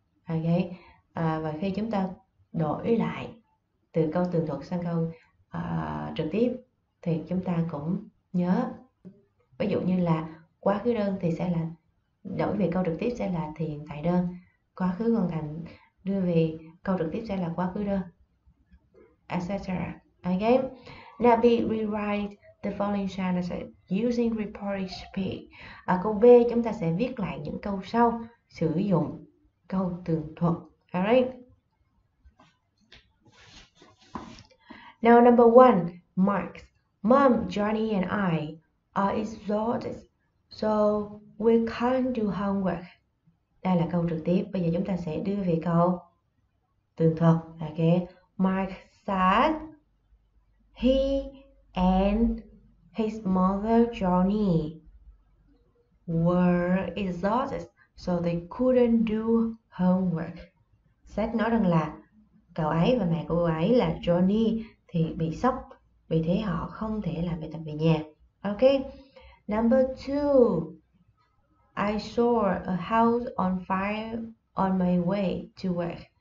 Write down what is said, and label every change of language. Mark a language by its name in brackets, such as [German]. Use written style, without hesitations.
[Vietnamese] Ok, và khi chúng ta đổi lại từ câu tường thuật sang câu trực tiếp thì chúng ta cũng nhớ. Ví dụ như là quá khứ đơn thì sẽ là đổi về câu trực tiếp sẽ là thì hiện tại đơn. Quá khứ hoàn thành đưa về câu trực tiếp sẽ là quá khứ đơn. Etc. Ok. [English] Now B, rewrite the following sentences using reported speech. [Vietnamese] Ở câu B chúng ta sẽ viết lại những câu sau sử dụng câu tường thuật. Alright. [English] Number one, Mark. Mom, Johnny and I are exhausted, so we can't do homework. [Vietnamese] Đây là câu trực tiếp. Bây giờ chúng ta sẽ đưa về câu tường thuật. Ok. [English] Mark said he and his mother Johnny were exhausted, so they couldn't do homework. [Vietnamese] Sách nói rằng là cậu ấy và mẹ cô ấy là Johnny thì bị sốc, vì thế họ không thể làm bài tập về nhà. Ok. [English] Number two, I saw a house on fire on my way to work.